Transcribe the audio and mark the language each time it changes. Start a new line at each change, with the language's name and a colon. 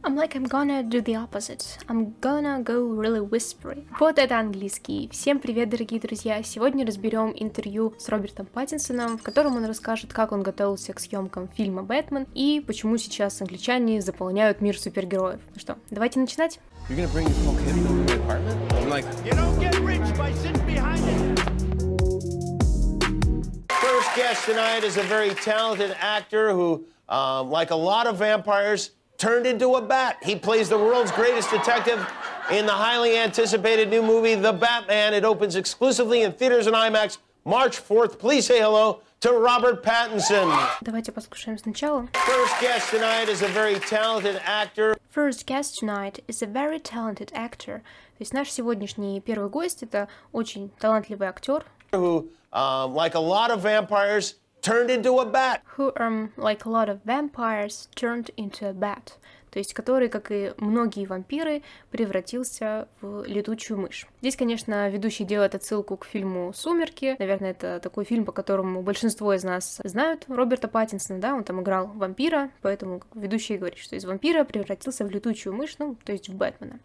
English: I'm like, I'm gonna do the opposite. I'm gonna go really whispery.
Russian: Вот это английский. Всем привет, дорогие друзья. Сегодня разберем интервью с Робертом Паттинсоном, в котором он расскажет, как он готовился к съемкам фильма «Бэтмен» и почему сейчас англичане заполняют мир супергероев. Ну что, давайте начинать.
English: You're gonna bring this whole kid into the apartment? I'm like, you don't get rich by sitting behind it. First guest tonight is a very talented actor who, like a lot of vampires, turned into a bat. He plays the world's greatest detective in the highly anticipated new movie, The Batman. It opens exclusively in theaters and IMAX March 4th. Please say hello to Robert Pattinson.
Russian: Давайте послушаем сначала.
English: First guest tonight is a very talented actor. First guest tonight is a very talented actor.
Russian: То есть наш сегодняшний первый гость это очень талантливый актер.
English: Who, like a lot of vampires, turned into a bat. Who, like a lot of vampires, turned into a bat.
Russian: То есть который, как и многие вампиры, превратился в летучую мышь. Здесь, конечно, ведущий делает отсылку к фильму «Сумерки». Наверное, это такой фильм, по которому большинство из нас знают Роберта Паттинсона, да, он там играл вампира, поэтому ведущий говорит, что из вампира превратился в летучую мышь, ну, то есть в Бэтмена.